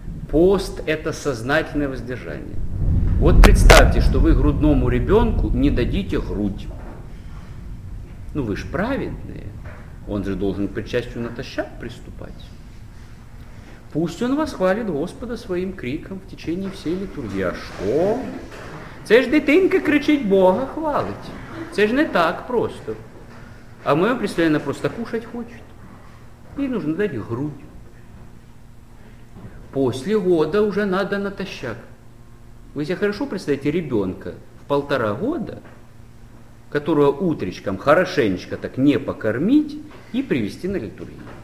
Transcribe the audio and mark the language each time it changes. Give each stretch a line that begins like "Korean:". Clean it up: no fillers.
Russian: Пост – это сознательное воздержание. Вот представьте, что вы грудному ребенку не дадите грудь. Ну вы ж праведные. Он же должен к причастию натощак приступать. Пусть он восхвалит Господа своим криком в течение всей литургии. А что?
Ukrainian: Це ж дитинка кричить Бога хвалить. Це ж не так просто.
Russian: А в моем представлении она просто кушать хочет. Ей нужно дать грудь. После года уже надо натощак. Вы себе хорошо представляете ребенка в 1,5 года, которого утречком хорошенечко так не покормить и привести на литургию?